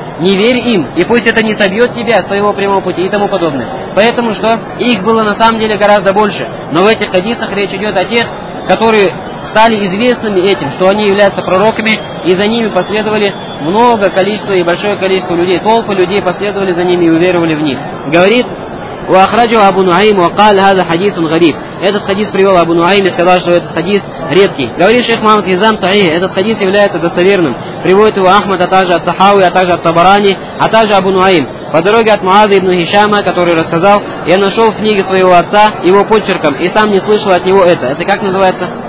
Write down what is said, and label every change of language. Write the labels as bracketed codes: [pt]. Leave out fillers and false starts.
[ru] Не верь им, и пусть это не собьет тебя с твоего прямого пути и тому подобное. Поэтому что? Их было на самом деле гораздо больше. Но в этих хадисах речь идет о тех, которые стали известными этим, что они являются пророками, и за ними последовали много количества и большое количество людей. Толпы людей последовали за ними и уверовали в них. Говорит, [ar] وَأَخْرَجَهُ أَبُو نُعَيْمٍ وَقَالَ هَذَا حَدِيثٌ غَرِيبٌ. [ru] Этот хадис привел Абу Нуайм и сказал, что этот хадис редкий. Говорит шейх Мухаммад Хизам Саихи, этот хадис является достоверным. Приводит его Ахмад, а также от Тахауи, а также от Табарани, а также Абу Нуайм. По дороге от Муаза ибн Хишама, который рассказал, я нашел в книге своего отца его почерком и сам не слышал от него это. Это как называется?